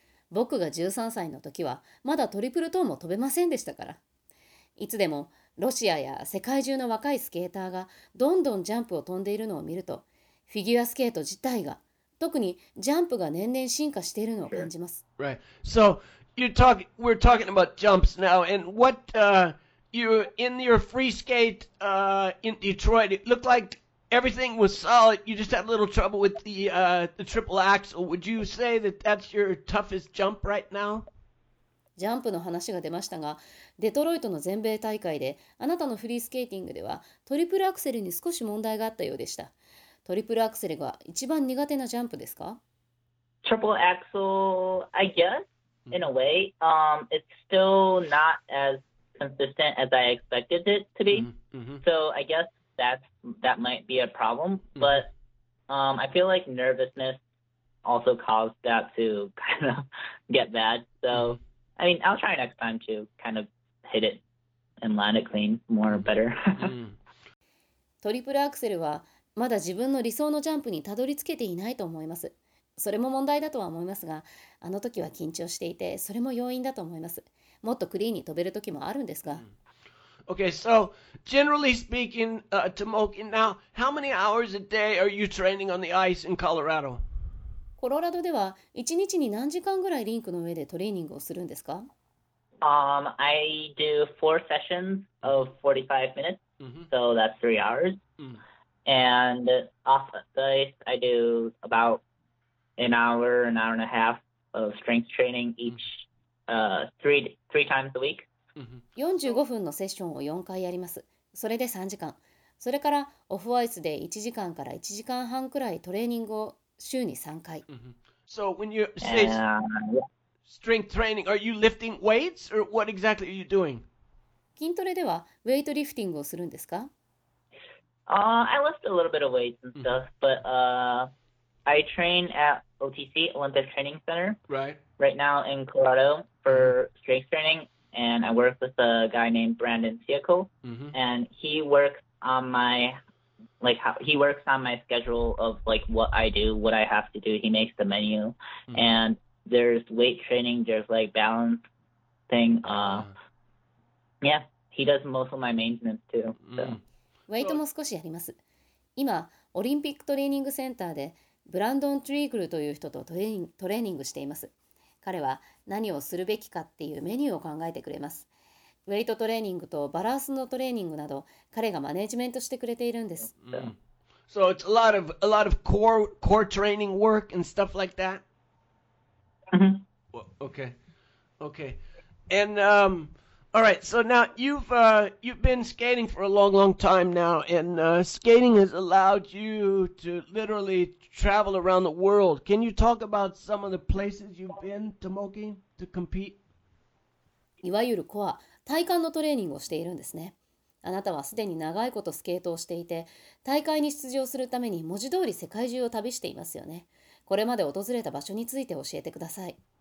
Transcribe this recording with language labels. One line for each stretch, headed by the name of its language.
Japanese: 僕が13歳の時はまだトリプルトーも飛べませんでしたから。いつでもロシアや世界中の若いスケーターがどんどんジャンプを飛んでいるのを見ると、フィギュアスケート自体が、特にジャンプが年々進化しているのを感じます。
English: Sure. Right. So, we're talking about jumps now, and what, you're in your free skate, in Detroit, it looked like everything was solid, you just had a little trouble with the triple axel. Would you say that that's your toughest jump right now?
Japanese: ジャンプの話が出ましたが、デトロイトの全米大会で、あなたのフリースケーティングでは、トリプルアクセルに少し問題があったようでした。トリプルアクセルが一番苦手なジャンプですか？
English: Triple axle, I guess, in a way. It's still not as consistent as I expected it to be. So I guess that might be a problem. But I feel like nervousness also caused that to kind of get bad. So, I mean, I'll try next time to kind of hit it and land it clean more or better.
Japanese: トリプルアクセルはまだ自分の理想のジャンプにたどり着けていないと思います。それも問題だとは思いますが、あの時は緊張していて、それも要因だと思います。もっとクリーンに飛べる時もあるんですが。
English: Okay, so generally speaking, Tomoki, now, how many hours a day are you training on the ice in Colorado?
Japanese: コロラドでは1日に何時間ぐらいリンクの上でトレーニングをするんですか？
English: I do 4 sessions of 45 minutes, so that's 3 hours. And off the ice, I do about an hour and a half of strength training each three times a week.
Japanese: 45分のセッションを4回やります。それで3時間。それからオフアイスで1時間から1時間半くらいトレーニングを週に3回。
English: So when you say strength training, are you lifting weights or what exactly are you doing?
Japanese: 筋トレではウェイトリフティングをするんですか？
English: I lift a little bit of weights and stuff, but I train at OTC, Olympic Training Center, right now in Colorado for strength training. And I work with a guy named Brandon Siaco, and he works on my, like, how, he works on my schedule of, like, what I do, what I have to do. He makes the menu, and there's weight training, there's, like, balance thing. Yeah, he does most of my maintenance, too. So.
Japanese: Weight も少しやります。今、オリンピックトレーニングセンターで、ブランドン・トリーグルという人とトレーニングしています。彼は何をするべきかっていうメニューを考えてくれます。ウェイトトレーニングとバランスのトレーニングなど、彼がマネジメントしてくれているんです。
English: So it's a lot of core training work and stuff like that? Okay. And, all right, so now you've been skating for a long, long time now, and skating has allowed you to literally travel around the world. Can you talk about some of the places you've been, Tomoki, to compete?
Japanese: いわゆるコア、体幹のトレーニングをしているんですね。あなたはすでに長いことスケートをしていて、大会に出場するために文字通り世界中を旅していますよね。これまで訪れた場所について教えてください。